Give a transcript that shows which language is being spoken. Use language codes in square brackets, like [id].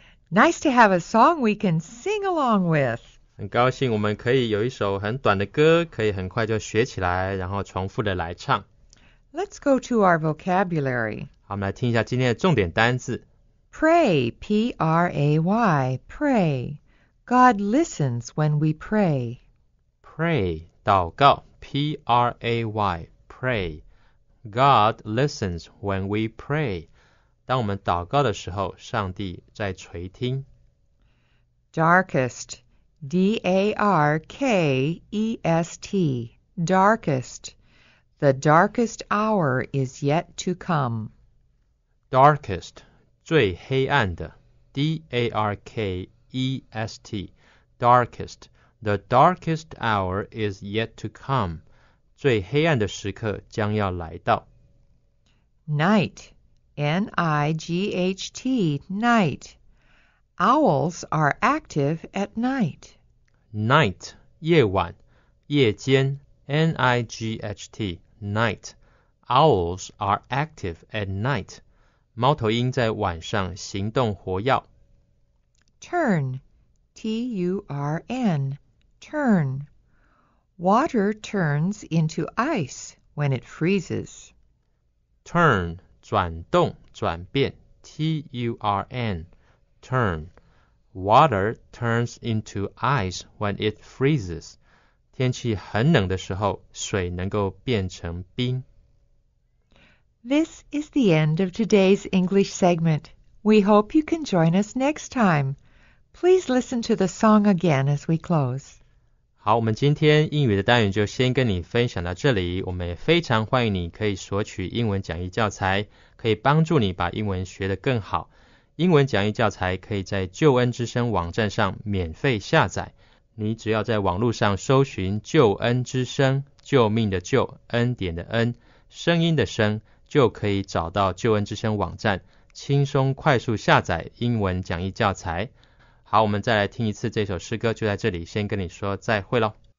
[en] Nice to have a song we can sing along with. [zh] 很高兴我们可以有一首很短的歌，可以很快就学起来，然后重复的来唱。 [en] Let's go to our vocabulary. [zh] 好，我们来听一下今天的重点单字。 [en] Pray, P-R-A-Y, pray. God listens when we pray. Pray, 祷告 P-R-A-Y, pray. God listens when we pray. [zh] 当我们祷告的时候，上帝在垂听。 [en] Darkest. D-A-R-K-E-S-T, darkest. The darkest hour is yet to come. Darkest, 最黑暗的 D-A-R-K-E-S-T, darkest. The darkest hour is yet to come. [zh] 最黑暗的时刻将要来到。 [en] Night, N-I-G-H-T, night. Owls are active at night. Night, 夜晚,夜间, N-I-G-H-T, night. Owls are active at night. [zh] 猫头鹰在晚上行动活跃。 [en] Turn, T-U-R-N, turn. Water turns into ice when it freezes. Turn, 转动,转变, T-U-R-N, turn. Water turns into ice when it freezes. [zh] 天气很冷的时候，水能够变成冰。 [en] This is the end of today's English segment. We hope you can join us next time. Please listen to the song again as we close. [zh] 好，我们今天英语的单元就先跟你分享到这里。我们也非常欢迎你可以索取英文讲义教材，可以帮助你把英文学得更好。英文讲义教材可以在救恩之声网站上免费下载，你只要在网络上搜寻救恩之声，救命的救，恩典的恩，声音的声，就可以找到救恩之声网站，轻松快速下载英文讲义教材。好，我们再来听一次这首诗歌，就在这里先跟你说再会咯。